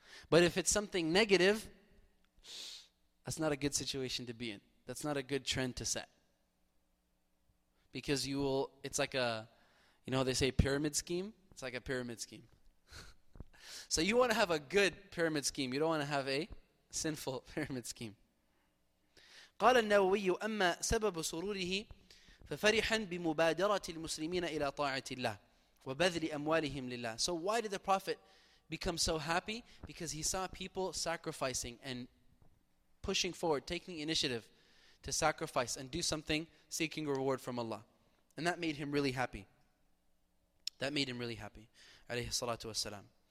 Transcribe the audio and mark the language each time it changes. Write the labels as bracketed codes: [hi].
[en] But if it's something negative, that's not a good situation to be in. That's not a good trend to set. Because you will, it's like a, you know how they say pyramid scheme? It's like a pyramid scheme. So you want to have a good pyramid scheme. You don't want to have a sinful pyramid scheme. [ar] قال النووي أما سبب سروره ففرحا بمبادرة المسلمين إلى طاعة الله وبذل أموالهم لله. [en] So why did the Prophet become so happy? Because he saw people sacrificing and pushing forward, taking initiative to sacrifice and do something, seeking reward from Allah. And that made him really happy. That made him really happy, alayhi salatu wasalam.